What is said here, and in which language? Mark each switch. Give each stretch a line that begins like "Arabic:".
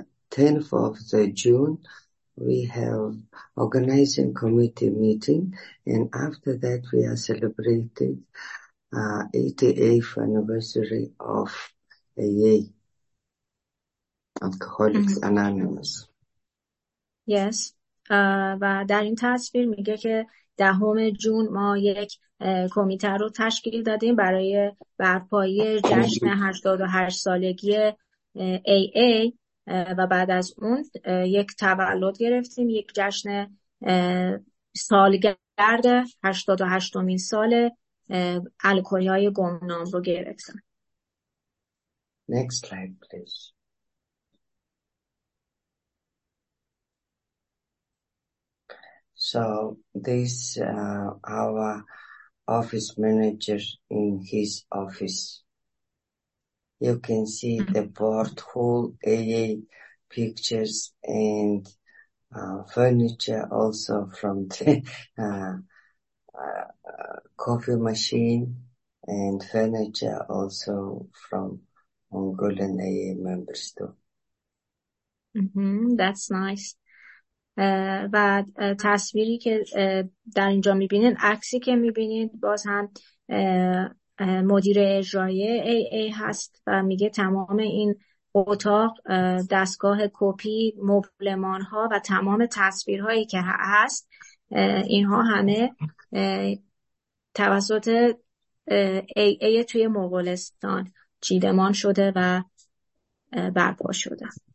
English: 10th of the June, we have organizing committee meeting, and after that we are celebrating 88th anniversary of AA, Alcoholics Anonymous. Yes.
Persian: و در این تصویر میگه که دهم جون ما یک کمیته رو تشکیل دادیم برای برپایی جشن 88 سالگی AA و بعد از اون یک تولد گرفتیم، یک جشن سالگرد 88مین سال الکلی های گمنام رو گرفتیم.
English: Next slide please. So this our office manager in his office. You can see the board hall AA pictures and furniture also from the coffee machine and furniture also from Mongolian AA members too. That's nice.
Persian: و تصویری که در اینجا میبینین، عکسی که میبینین، باز هم مدیر اجرایی AA هست و میگه تمام این اتاق، دستگاه کپی، مبلمان ها و تمام تصویرهایی که هست، اینها همه توسط AA توی مغولستان چیدمان شده و برپا شده.